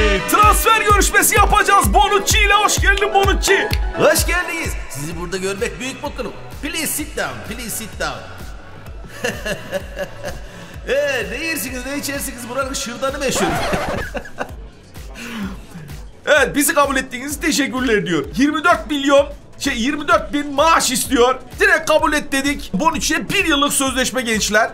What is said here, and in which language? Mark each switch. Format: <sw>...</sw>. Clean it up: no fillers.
<tr>Transfer görüşmesi yapacağız Bonucci ile. Hoş geldin Bonucci. Hoş geldiniz. Sizi burada görmek büyük mutluluk.</tr> <en>Please sit down, please sit down.</en> <tr>ne yersiniz, ne içersiniz? Buranın şırdanı meşhur. Evet, bizi kabul ettiğiniz teşekkürler diyor. 24 bin maaş istiyor. Direkt kabul et dedik. Bonucci'ye bir yıllık sözleşme gençler.</tr>